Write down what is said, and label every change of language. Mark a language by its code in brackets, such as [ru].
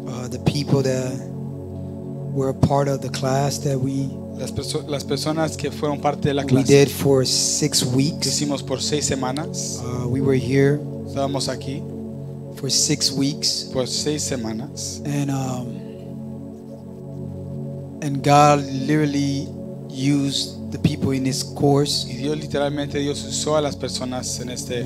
[en] The people that were a part of the class that we. [es] Las personas que fueron parte de la clase. [en] We did for 6 weeks. [es] Hicimos por 6 semanas. [en] We were here. [es] Estábamos aquí. [en] For 6 weeks. [es] Por 6 semanas. [en] And God literally used the people in this course. [es] Y Dios literalmente Dios usó a las personas en este.